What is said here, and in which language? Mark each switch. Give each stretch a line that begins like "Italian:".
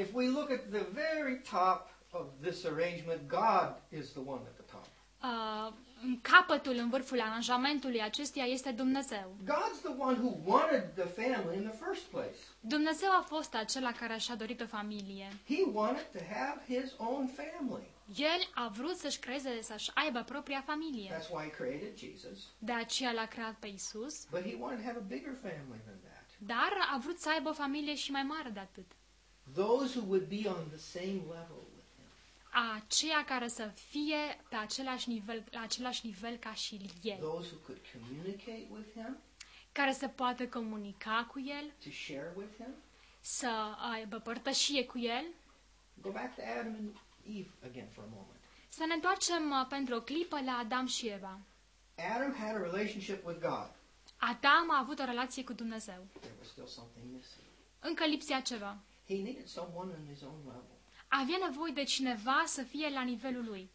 English: If we look at the very top of this arrangement, God is the one at the top.
Romanian: În capătul, în vârful aranjamentului acestuia este Dumnezeu.
English: God's the one who wanted the family in the first place.
Romanian: Dumnezeu a fost acela care și-a dorit o familie.
English: He wanted to have his own family.
Romanian: El a vrut să-și creeze, să-și aibă propria familie.
English: That's why he created Jesus.
Romanian: De aceea l-a creat pe Iisus.
English: But he wanted to have a bigger family than that.
Romanian: Dar a vrut să aibă o familie și mai mare de atât.
English: Those who would be on the same level with him.
Romanian: Aceia care să fie pe același nivel, la același nivel ca și el.
English: Those who could communicate with him.
Romanian: Care să poată comunica cu el.
English: To share with him.
Romanian: Să aibă părtășie cu el.
English: Go back to Adam and Eve again for a moment.
Romanian: Să ne întoarcem pentru o clipă la Adam și Eva.
English: Adam had a relationship with God.
Romanian: Adam a avut o relație cu Dumnezeu.
English: There was still something missing.
Romanian: Încă lipsea ceva.
English: He needed someone on his own level.
Romanian: Avea nevoie de cineva să fie la nivelul lui.